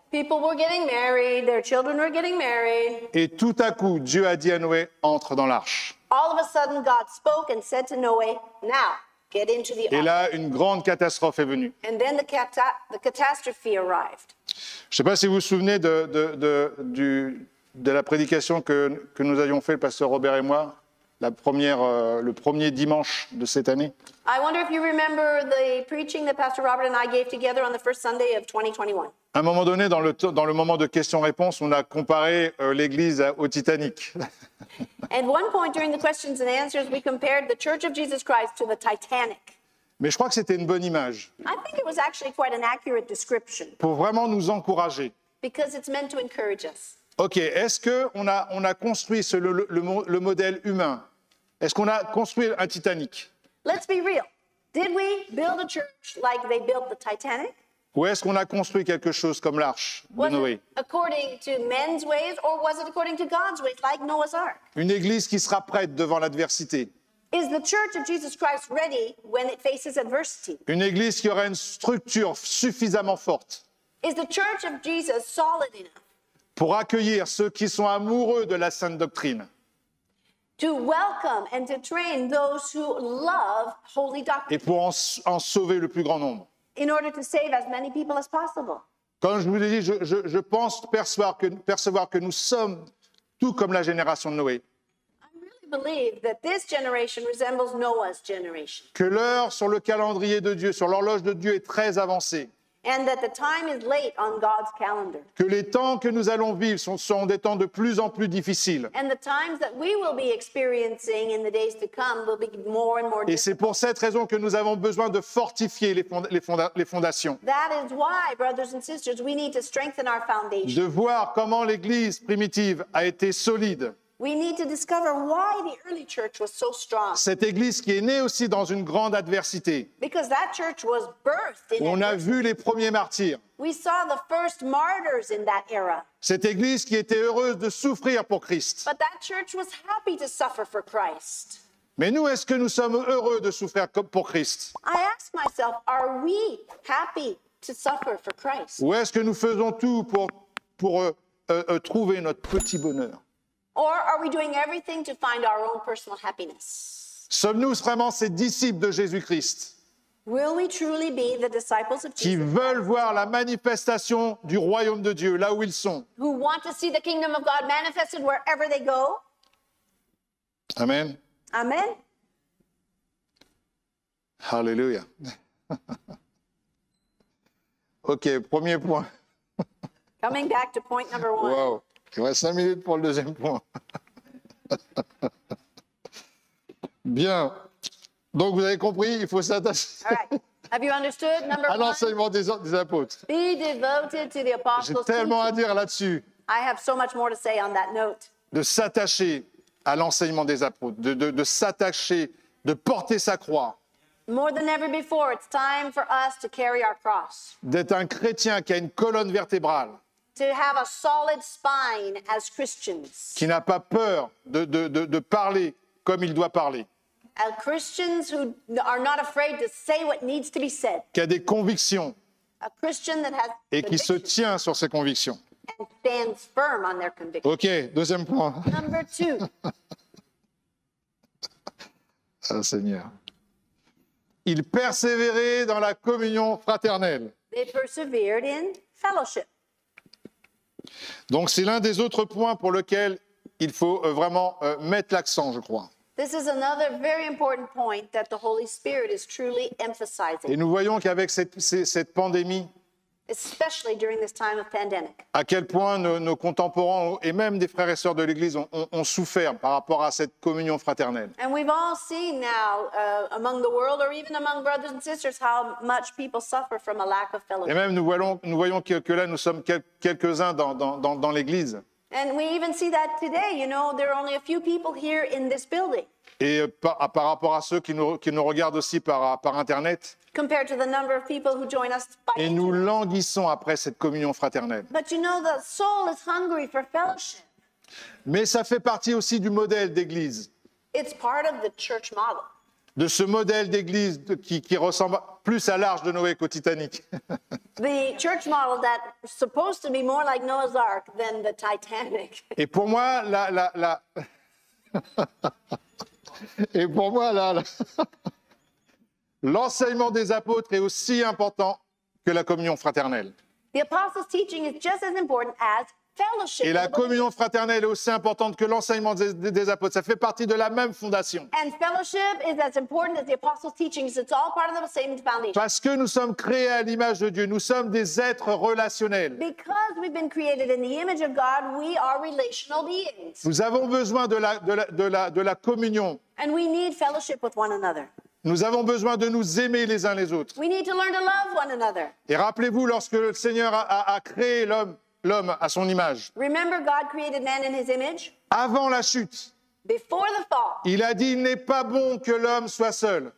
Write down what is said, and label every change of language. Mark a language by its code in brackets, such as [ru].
[en] People were getting married, their children were getting married. [fr] Et tout à coup, Dieu a dit à Noé, entre dans l'arche. [en] All of a sudden, God spoke and said to Noé, now, get into the ark. [fr] Et là, une grande catastrophe est venue. [en] And then the catastrophe arrived. [fr] Je ne sais pas si vous vous souvenez de la prédication que nous avions fait, le pasteur Robert et moi, le premier dimanche de cette année. [en] I wonder if you remember the preaching that Pastor Robert and I gave together on the first Sunday of 2021. [fr] À un moment donné, dans le moment de questions-réponses, on a comparé l'Église au Titanic. [en] At one point during the questions and answers, we compared the Church of Jesus Christ to the Titanic. [fr] Mais je crois que c'était une bonne image. [en] I think it was actually quite an accurate description. [fr] Pour vraiment nous encourager. [en] Because it's meant to encourage us. [fr] Ok, est-ce qu'on a construit le modèle humain? Est-ce qu'on a construit un Titanic? [en] Let's be real. Did we build a church like they built the Titanic? [fr] Ou est-ce qu'on a construit quelque chose comme l'arche de Noé? [en] Was it according to men's ways or was it according to God's ways, like Noah's Ark? [fr] Une église qui sera prête devant l'adversité. [en] Is the church of Jesus Christ ready when it faces adversity? [fr] Une église qui aura une structure suffisamment forte. [en] Is the church of Jesus solid enough? [fr] Pour accueillir ceux qui sont amoureux de la sainte doctrine. [en] To welcome and to train those who love holy doctrine. [fr] Et pour en sauver le plus grand nombre. [en] In order to save as many people as possible. [fr] Comme je vous l'ai dit, je pense percevoir que nous sommes tout comme la génération de Noé. [en] I really believe that this generation resembles Noah's generation. [fr] Que l'heure sur le calendrier de Dieu, sur l'horloge de Dieu est très avancée. [en] And that the time is late on God's calendar. [fr] Que les temps que nous allons vivre sont des temps de plus en plus difficiles. [en] And the times that we will be experiencing in the days to come will be more and more difficult. [fr] Et c'est pour cette raison que nous avons besoin de fortifier les fondations. [en] That is why, brothers and sisters, we need to strengthen our foundations. [fr] De voir comment l'Église primitive a été solide. [en] We need to discover why the early church was so strong. [fr] Cette église qui est née aussi dans une grande adversité. [en] Because that church was birthed in. [fr] On a vu les premiers martyrs. [en] We saw the first martyrs in that era. [fr] Cette église qui était heureuse de souffrir pour Christ. [en] But that church was happy to suffer for Christ. [fr] Mais nous, est-ce que nous sommes heureux de souffrir pour Christ? [en] I ask myself, are we happy to suffer for Christ? [fr] Ou est-ce que nous faisons tout pour trouver notre petit bonheur? [en] Or are we doing everything to find our own personal happiness? [fr] Sommes-nous vraiment ces disciples de Jésus-Christ? [en] Will we truly be the disciples of Jesus? [fr] Qui veulent voir la manifestation du royaume de Dieu là où ils sont? [en] Who want to see the kingdom of God manifested wherever they go? Amen. Amen. Hallelujah. [fr] OK, premier point. [en] Coming back to point number one. [fr] Wow. Il reste 5 minutes pour le deuxième point. Bien. Donc, vous avez compris, il faut s'attacher. [en] All right. Have you understood? Number [fr] à l'enseignement des apôtres. [en] Be devoted to the apostles. [fr] J'ai tellement à dire là-dessus. [en] I have so much more to say on that note. [fr] De s'attacher à l'enseignement des apôtres. De s'attacher, de porter sa croix. [en] More than ever before, it's time for us to carry our cross. [fr] D'être un chrétien qui a une colonne vertébrale. [en] To have a solid spine as Christians. [fr] Qui n'a pas peur de parler comme il doit parler. [en] As Christians who are not afraid to say what needs to be said. [fr] Qui a des convictions. [en] A Christian that has convictions. [fr] Et qui se tient sur ses convictions. [en] And stands firm on their convictions. [fr] Ok, deuxième point. [en] Number two. [fr] Ah, Seigneur. Il persévérait dans la communion fraternelle. [en] They persevered in fellowship. [fr] Donc c'est l'un des autres points pour lequel il faut vraiment mettre l'accent, je crois. [en] This is another very important point that the Holy Spirit is truly emphasizing. [fr] Et nous voyons qu'avec cette pandémie, [en] especially during this time of pandemic. [fr] À quel point nos contemporains et même des frères et sœurs de l'Église ont souffert par rapport à cette communion fraternelle. [en] And we've all seen now among the world or even among brothers and sisters how much people suffer from a lack of fellowship. [fr] Et même nous voyons que là nous sommes quelques-uns dans l'Église. [en] And we even see that today, you know, there are only a few people here in this building. [fr] Et par rapport à ceux qui nous regardent aussi par Internet. [en] Compared to the number of people who join us by [fr] Internet. Et nous languissons après cette communion fraternelle. [en] But you know, the soul is hungry for fellowship. [fr] Mais ça fait partie aussi du modèle d'Église. [en] It's part of the church model. [fr] De ce modèle d'Église qui ressemble plus à l'arche de Noé qu'au Titanic. [en] The church model that is supposed to be more like Noah's Ark than the Titanic. [fr] Et pour moi, la... Et pour moi, là, l'enseignement des apôtres est aussi important que la communion fraternelle. [en] The apostles' teaching is just as important as fellowship. [fr] Et la communion fraternelle est aussi importante que l'enseignement des apôtres. Ça fait partie de la même fondation. [en] And fellowship is as important as the apostles' teachings. It's all part of the same foundation. [fr] Parce que nous sommes créés à l'image de Dieu. Nous sommes des êtres relationnels. [en] Because we've been created in the image of God, we are relational beings. [fr] Nous avons besoin de la communion. [en] And we need fellowship with one another. [fr] Nous avons besoin de nous aimer les uns les autres. [en] We need to learn to love one another. [fr] Et rappelez-vous, lorsque le Seigneur a créé l'homme à son image. [en] Remember God created man in his image? [fr] Avant la chute. [en] Before the fall. [fr] Il a dit, il n'est pas bon que l'homme soit seul.